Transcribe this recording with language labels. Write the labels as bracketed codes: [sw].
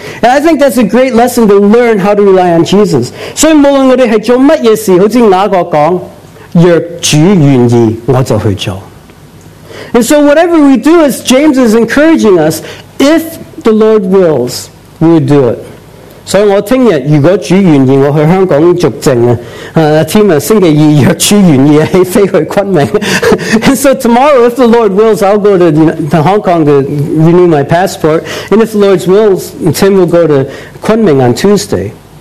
[en] And I think that's a great lesson to learn how to rely on Jesus. [zh] 所以無論我們是做什麼事,好像雅各說,若主願意,我就去做. [en] And so whatever we do, as James is encouraging us, if the Lord wills, we will do it. [zh] 所以我明天,如果主願意,我去香港續證,星期二,若主願意,起飛去昆明. [en] And so tomorrow, if the Lord wills, I'll go to Hong Kong to renew my passport. And if the Lord wills, Tim will go to Kunming on Tuesday.